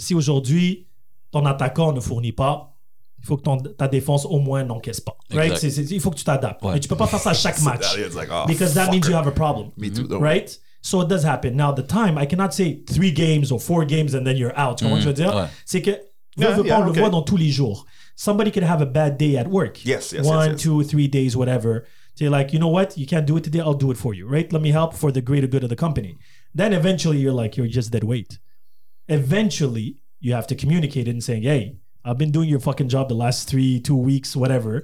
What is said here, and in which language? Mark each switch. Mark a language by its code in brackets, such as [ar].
[fr] Si aujourd'hui, ton attaquant ne fournit pas, il faut que ta défense au moins n'encaisse pas. [en] Right? Exactly. [fr] Il faut que tu t'adaptes. Ouais. Mais tu peux pas faire ça à chaque match. [en] Like, oh, because that means you have a problem. Me too, though. Right? So it does happen. Now, the time, I cannot say 3 games or 4 games and then you're out. [fr] Comment tu veux dire? Ouais. C'est que, on le voit dans tous les jours. [en] Somebody could have a bad day at work. Yes, 2, 3 days, whatever. They're like, you know what? You can't do it today. I'll do it for you, right? Let me help for the greater good of the company. Then eventually you're like, you're just dead weight. Eventually you have to communicate it and saying, hey, I've been doing your fucking job the last 2 weeks, whatever.